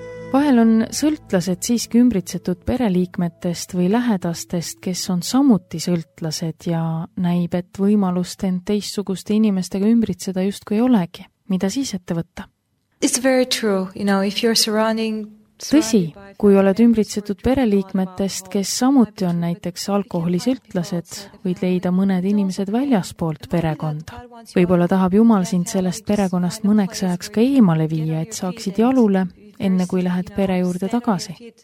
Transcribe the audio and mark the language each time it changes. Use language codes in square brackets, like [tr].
[et] Sõltlased siiski ümbritsetud pereliikmetest või lähedastest, kes on samuti sõltlased ja näib, et võimalust end teissuguste inimestega ümbritseda justkui ei olegi. Mida siis ette võtta? [en] It's very true, you know, if you're surrounding... [et] Tõsi, kui oled ümbritsetud pereliikmetest, kes samuti on näiteks alkoholisõltlased, võid leida mõned inimesed väljaspoolt perekonda. Võib-olla tahab Jumal sind sellest perekonnast mõneks ajaks ka eemale viia, et saaksid jalule, enne kui lähed pere juurde tagasi.